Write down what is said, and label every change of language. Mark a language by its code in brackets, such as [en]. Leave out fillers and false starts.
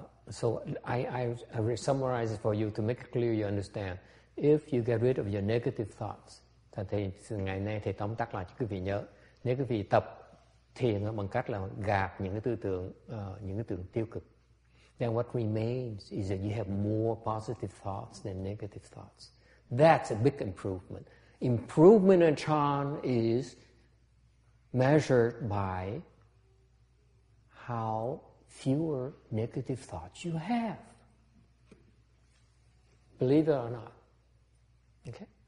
[en] So I summarize it for you to make it clear you understand. If you get rid of your negative thoughts, [vi] thì ngày nay thầy tóm tắt lại cho quý vị nhớ. Nếu quý vị tập thiền bằng cách là gạt những cái tư tưởng tiêu cực, [en] then what remains is that you have more positive thoughts than negative thoughts. That's a big improvement. Improvement in chan is measured by how fewer negative thoughts you have. Believe it or not. Okay?